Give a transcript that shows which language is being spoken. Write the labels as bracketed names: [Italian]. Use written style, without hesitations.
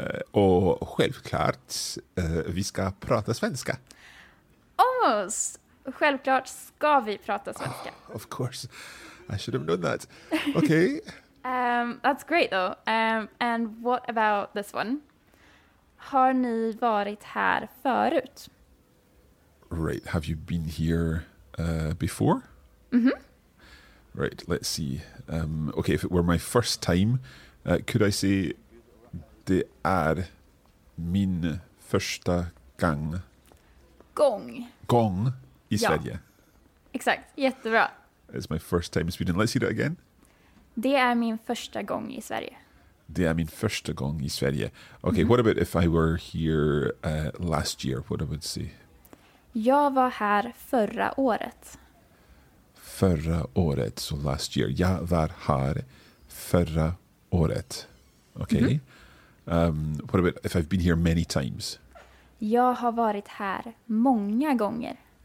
[Swedish] Och självklart, vi ska prata svenska. [English] Almost. [Swedish] Självklart ska vi prata svenska. [English] Oh, of course. I should have known that. Okay. That's great though. And what about this one? [Swedish] Har ni varit här förut? [English] Right. Have you been here before? Mm-hmm. Right, let's see. Okay, if it were my first time, could I say [Swedish] det är min första gång? Gång i Sverige. Ja. Exakt, jättebra. [English] It's my first time in Sweden. Let's see that again. [Swedish] Det är min första gång i Sverige. Det är min första gång i Sverige. [English] Okay, mm-hmm. What about if I were here last year? What I would say? [Swedish] Jag var här förra året. Förra året, [English] so last year. [Swedish] Jag var här förra året. Okay. Mm-hmm. [English] What about if I've been here many times? [Swedish] Jag har varit här många gånger.